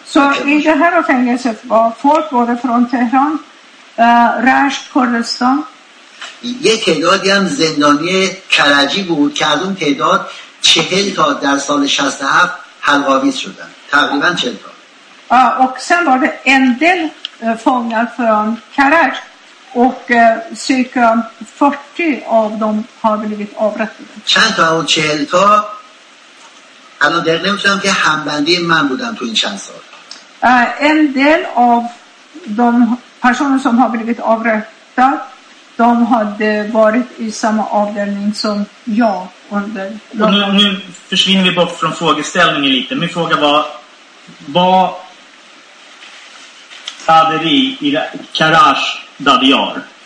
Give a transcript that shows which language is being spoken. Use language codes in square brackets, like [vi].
[fa] سو این جهه رو فنگست با فورت بوده فرون تهران رشت کردستان یه تعدادی هم زندانی کرجی بود که از اون تعداد 40 تا در سال 67 حلقاویز شدن تقریبا 40 تا [sv] och sen var det en del fångar från Karaj och cirka 40 av dem har blivit avrättade [fa] چند تا اون 40 تا الان دقیق نمیتونم که همبندی من بودن تو این چند سال [sv] en del av de personer som har blivit avrättade de hade varit i samma avdelning som jag under... Nu försvinner vi bort från frågeställningen lite. Min fråga var, vad hade vi i Karaj Dadiar?